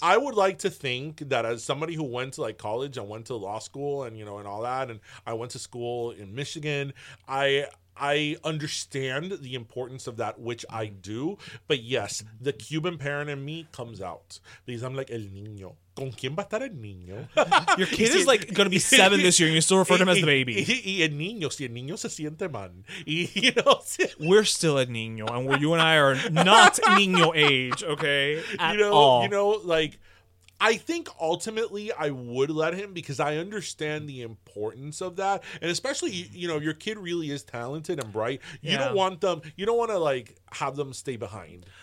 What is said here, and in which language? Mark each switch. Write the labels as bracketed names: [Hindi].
[English] I would like to think that as somebody who went to like college and went to law school and, you know, and all that, and I went to school in Michigan, I understand the importance of that, which I do. But yes, the Cuban parent in me comes out because I'm like, [Spanish] el niño. ¿Con quién va a estar el niño? [English] Your kid is like going to be 7 this year and you still refer to him as the baby. [Spanish] Y el niño, si el niño se siente mal. [English] Y, you know, we're still a niño and you and I are not niño age, okay? You know, like, I think ultimately I would let him because I understand the importance of that. And especially, you know, your kid really is talented and bright. You don't want to like have them stay behind.